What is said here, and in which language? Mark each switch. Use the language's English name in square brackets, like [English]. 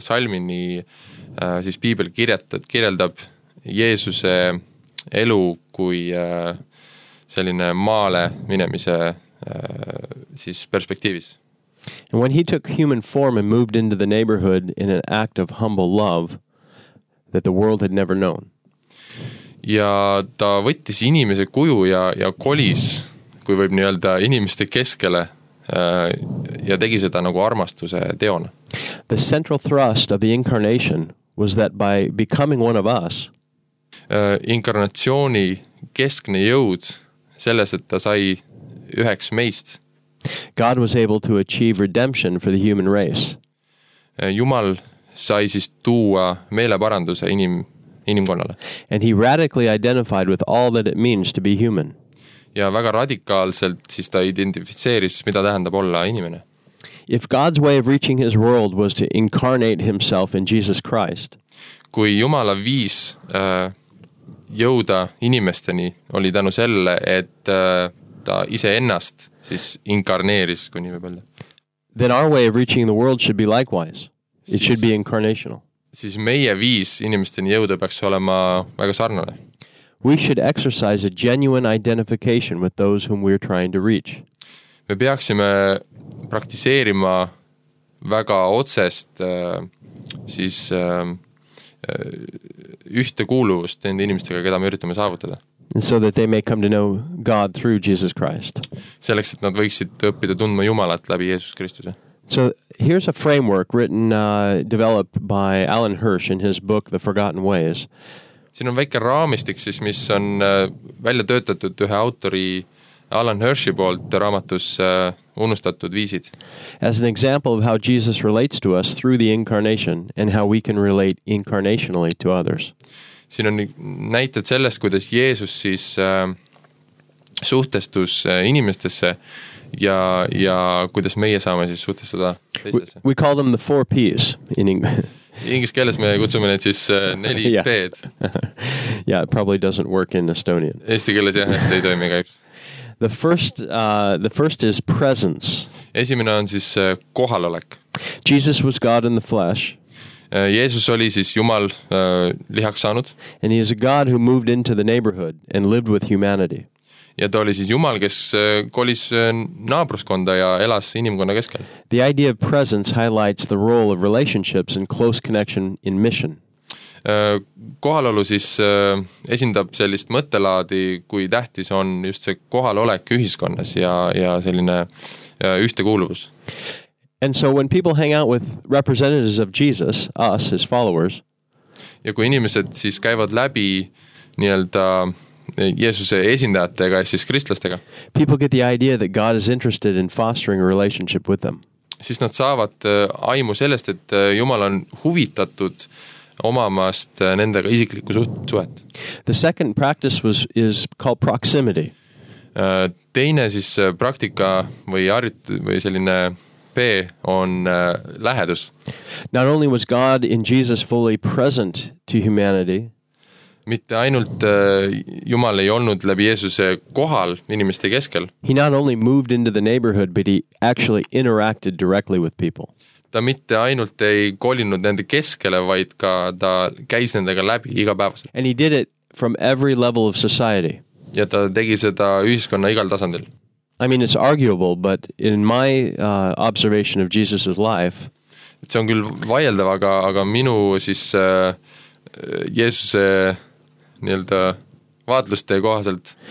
[Estonian] salmini siis piibel kirjeldab Jeesuse elu kui selline maale minemise siis perspektiivis. [English] And when he took human form and moved into the neighborhood in an act of humble love that the world had never known. [Estonian] Ja ta võttis inimese kuju ja kolis, kui võib nii öelda, inimeste keskele ja tegi seda nagu armastuse teona. [English] The central thrust of the incarnation was that by becoming one of us, [Estonian] inkarnatsiooni keskne jõud selles, et ta sai üheks meist, [English] God was able to achieve redemption for the human race. [Estonian] Jumal sai siis tuua meeleparanduse inimkonnale. [English] And he radically identified with all that it means to be human. [Estonian] Ja väga radikaalselt siis ta identifitseeris, mida tähendab olla inimene. [English] If God's way of reaching his world was to incarnate himself in Jesus Christ. [Estonian] Kui Jumala viis jõuda inimesteni, oli tänu selle, et ta ise ennast siis inkarneeris, kui nii võib öelda. [English] Then our way of reaching the world should be likewise. It should be incarnational. [Estonian] Siis meie viis inimesteni jõuda peaks olema väga sarnane. [English] We should exercise a genuine identification with those whom we are trying to reach. [Estonian] Me peaksime praktiseerima väga otsest ühte kuuluvust nende inimestega, keda me üritame saavutada. [English] So that they may come to know God through Jesus Christ. [Estonian] Selleks, et nad võiksid õppida tundma Jumalat läbi Jeesus Kristuse. [English] So here's a framework written, developed by Alan Hirsch in his book The Forgotten Ways. [Estonian] Siin on väike raamistik siis, mis on välja töötatud ühe autori Alan Hirschi poolt raamatus unustatud viisid. [English] As an example of how Jesus relates to us through the incarnation and how we can relate incarnationally to others. [Estonian] Siin on näited sellest, kuidas Jeesus siis suhtestus inimestesse ja kuidas meie saame siis suhtestuda teistesse. [English] We call them the four P's in [Estonian] Inglise keeles me kutsume need siis neli yeah. P'd. [English] Yeah, it probably doesn't work in Estonian. [Estonian] Eesti keeles jah, ei toimi kaiks. [English] The first is presence. [Estonian] Esimene on siis kohalolek. [English] Jesus was God in the flesh. [Estonian] Jeesus oli siis Jumal lihaks saanud. [English] And he is a God who moved into the neighborhood and lived with humanity. [Estonian] Ja ta oli siis Jumal, kes kolis naabruskonda ja elas inimkonna keskel. [English] The idea of presence highlights the role of relationships and close connection in mission. [Estonian] Kohalolu siis esindab sellist mõttelaadi, kui tähtis on just see kohalolek ühiskonnas ja selline ühtekuuluvus. [English] And so when people hang out with representatives of Jesus, us, his followers, [Estonian] ja kui inimesed siis käivad läbi nii-öelda Jeesuse esindajatega ja siis kristlastega, [English] people get the idea that God is interested in fostering a relationship with them. [Estonian] Siis nad saavad aimu sellest, et Jumal on huvitatud omamast nendega isiklikku suhet. [English] The second practice is called proximity. [Estonian] Teine siis praktika või selline P on lähedus. [English] Not only was God in Jesus fully present to humanity, [Estonian] mitte ainult Jumal ei olnud läbi Jeesuse kohal inimeste keskel. [English] He not only moved into the neighborhood, but he actually interacted directly with people. [Estonian] Ta mitte ainult ei kolinud nende keskele, vaid ka ta käis nendega läbi igapäevaselt. [English] And he did it from every level of society. [Estonian] Ja ta tegi seda ühiskonna igal tasandil. [English] I mean, it's arguable, but in my observation of Jesus' life, [Estonian] see on küll vaieldav, aga minu siis Jeesuse nii-öelda vaatluste kohaselt,